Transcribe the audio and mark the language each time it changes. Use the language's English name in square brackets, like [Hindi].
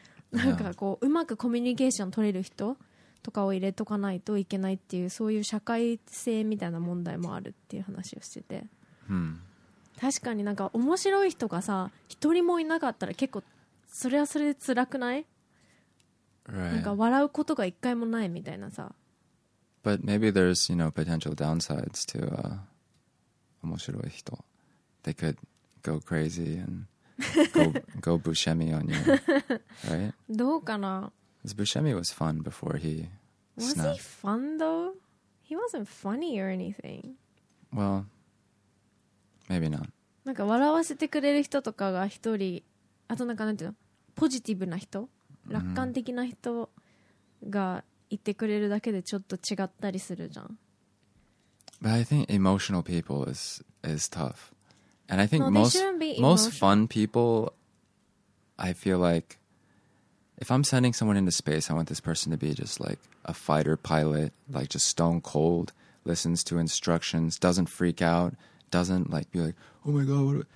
[Japanese] なんかこううまくコミュニケーション取れる人とかを入れとかないといけないっていう、そういう社会性みたいな問題もあるっていう話をしてて、確かになんか面白い人がさ一人もいなかったら結構それはそれで辛くない、 [English] right. [Japanese] なんか笑うことが一回もないみたいなさ。 [English] But maybe there's, you know, potential downsides to [Japanese] 面白い人。 [English] They could go crazy andGo Buscemi on you, right? [Japanese] どうかな? [English] Buscemi was fun before he snapped. Was he fun though? He wasn't funny or anything. Well, maybe not. [Japanese] なんか笑わせてくれる人とかが一人、あとなんかなんていうの、ポジティブな人、楽観的な人がいてくれるだけでちょっと違ったりするじゃん。 [English] But I think emotional people is tough. And I think most fun people, I feel like, if I'm sending someone into space, I want this person to be just like a fighter pilot, like just stone cold, listens to instructions, doesn't freak out, doesn't like be like, oh my God, what do I...